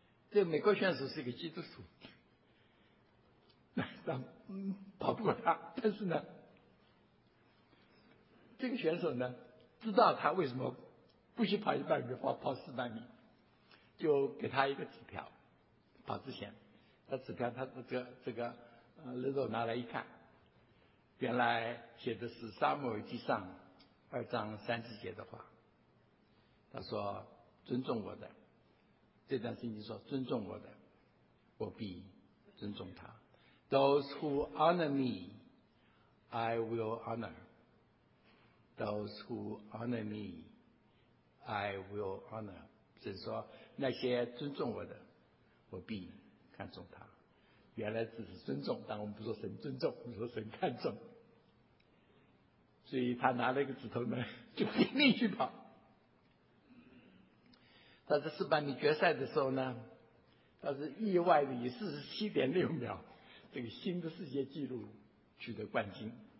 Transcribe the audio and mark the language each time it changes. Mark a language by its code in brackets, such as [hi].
[zh] 这个美国选手是一个基督徒，那跑不过他，但是呢，这个选手呢，知道他为什么不许跑一百米，跑四百米，就给他一个纸条，跑之前，他纸条他这个雷诺拿来一看，原来写的是撒母耳记上二章三十节的话，他说尊重我的。这段圣经说尊重我的，我必尊重他。 [en] Those who honor me, I will honor. Those who honor me, I will honor. [zh] 神说那些尊重我的，我必看重他。原来只是尊重，但我们不说神尊重，我们说神看重。所以他拿了一个指头呢，就拼命去跑。他在四百米决赛的时候呢，他是意外的以47.6秒这个新的世界纪录取得冠军。